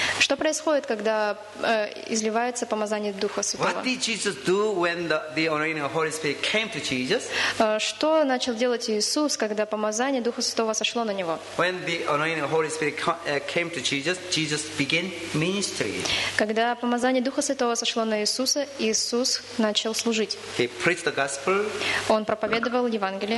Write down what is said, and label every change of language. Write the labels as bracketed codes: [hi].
[ru] Что происходит, когда изливается помазание Духа Святого? [en] What did Jesus do when the anointing of the Holy Spirit came to Jesus? [ru] Что начал делать Иисус, когда помазание Духа Святого сошло на него? [en] When the anointing of the Holy Spirit came to Jesus, Jesus began ministry. [ru] Когда помазание Духа Святого сошло на Иисуса, Иисус начал служить. [en] He preached the gospel. [ru] Он проповедовал Евангелие.